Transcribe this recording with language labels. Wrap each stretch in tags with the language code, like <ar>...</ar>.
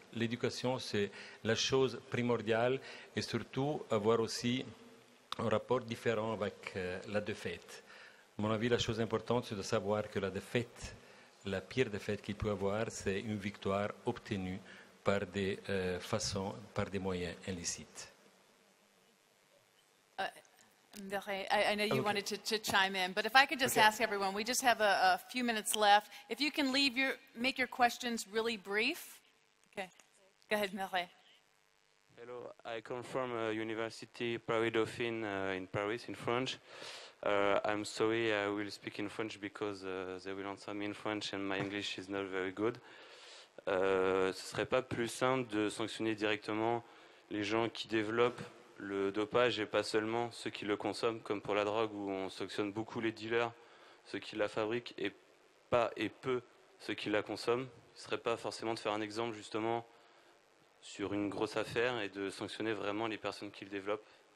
<fr>L'éducation, c'est la chose primordiale, et surtout avoir aussi un rapport différent avec la défaite. À mon avis, la chose importante, c'est de savoir que la défaite, la pire défaite qu'il peut avoir, c'est une victoire obtenue par des façons, par des moyens illicites.</fr> <en>I know you wanted to chime in, but if I could just ask everyone, we just have a few minutes left. If you can make your questions really brief. Okay. Go ahead, Mireille. Hello, I come from University Paris-Dauphine in Paris, in French. I'm sorry, I will speak in French because they will answer me in French and my English is not very good.</en> <fr>Ce ne serait pas plus simple de sanctionner directement les gens qui développent le dopage et pas seulement ceux qui le consomment, comme pour la drogue où on sanctionne beaucoup les dealers, ceux qui la fabriquent et peu ceux qui la consomment? Ce ne serait pas forcément de faire un exemple justement sur une grosse affaire et de sanctionner vraiment les personnes qui le développent?</fr>